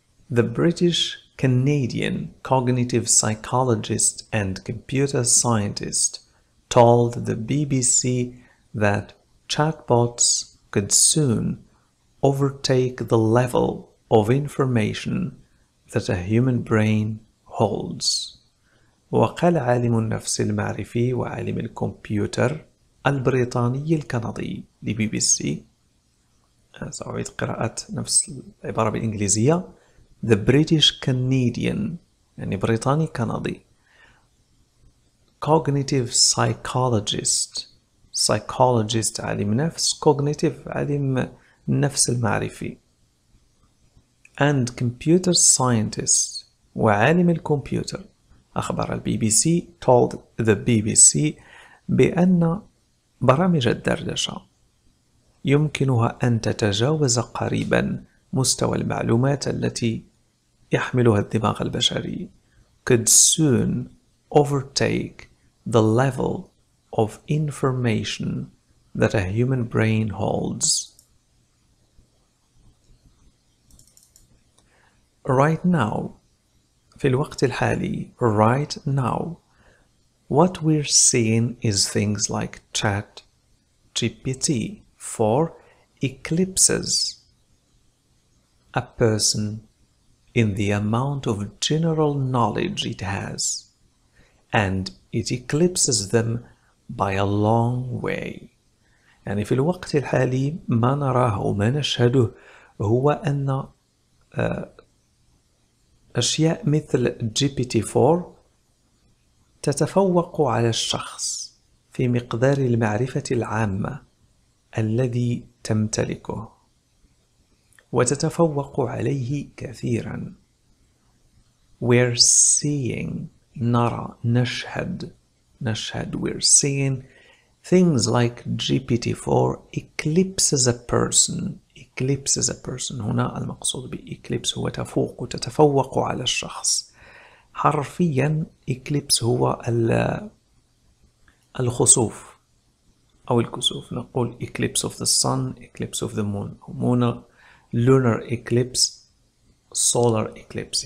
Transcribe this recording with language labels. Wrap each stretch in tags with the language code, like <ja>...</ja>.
<en>The British Canadian cognitive psychologist and computer scientist told the BBC that chatbots could soon overtake the level of information that a human brain holds.</en> <ar>وقال عالم النفس المعرفي وعالم الكمبيوتر البريطاني الكندي لبي بي سي. سأعيد قراءة نفس العبارة بالإنجليزية.</ar> <en>The British Canadian,</en> <ar>يعني بريطاني كندي,</ar> <en>cognitive psychologist, psychologist</en> <ar>علم نفس,</ar> <en>cognitive</en> <ar>علم نفس المعرفي,</ar> <en>and computer scientist</en> <ar>وعالم الكمبيوتر, أخبر البي بي سي,</ar> <en>told the BBC</en> <ar>بأن برامج الدردشة يمكنها أن تتجاوز قريبا مستوى المعلومات التي يحملها الدماغ البشري.</ar> <en>Could soon overtake the level of information that a human brain holds. Right now,</en> <ar>في الوقت الحالي,</ar> <en>right now, what we're seeing is things like ChatGPT for eclipses a person in the amount of general knowledge it has, and it eclipses them by a long way.</en> <ar>يعني في الوقت الحالي ما نراه وما نشهده هو أن أشياء مثل GPT-4 تتفوق على الشخص في مقدار المعرفة العامة الذي تمتلكه وتتفوق عليه كثيرا.</ar> <en>We're seeing,</en> <ar>نرى, نشهد.</ar> <en>We're seeing things like GPT-4 eclipses a person. Eclipses a person.</en> <ar>هنا المقصود بإكليبس هو تفوق, تتفوق على الشخص. حرفيا إكليبس هو الخسوف أو الكسوف. نقول</ar> <en>eclipse of the sun, eclipse of the moon. Moon, lunar eclipse, solar eclipse.</en>